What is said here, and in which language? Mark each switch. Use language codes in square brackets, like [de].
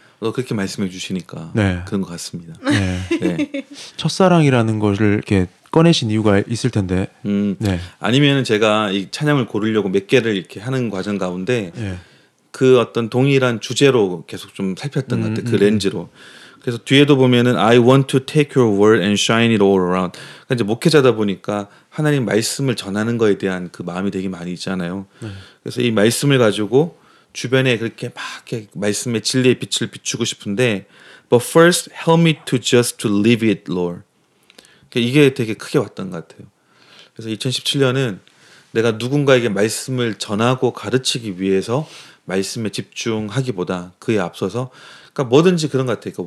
[ko] 그렇게 말씀해 주시니까 네. 그런 것 같습니다. 네. 네. 첫사랑이라는 것을 이렇게 꺼내신 이유가 있을 텐데. 네. 아니면은 제가 이 찬양을 고르려고 몇 개를 이렇게 하는 과정 가운데 네. 그 어떤 동일한 주제로 계속 좀 살폈던 것 같아요. 그 렌즈로. 그래서 뒤에도 보면은 [en] I want to take your word and shine it all around. [ko] 그러니까 이제 목회자다 보니까 하나님 말씀을 전하는 것에 대한 그 마음이 되게 많이 있잖아요. 네. 그래서 이 말씀을 가지고 주변에 그렇게 막 이렇게 말씀의 진리의 빛을 비추고 싶은데 [en] But first, help me to just to live it, Lord. [ko] 이게 되게 크게 왔던 것 같아요. 그래서 2017년은 내가 누군가에게 말씀을 전하고 가르치기 위해서 말씀에 집중하기보다 그에 앞서서 그러니까 뭐든지 그런 것 같아요.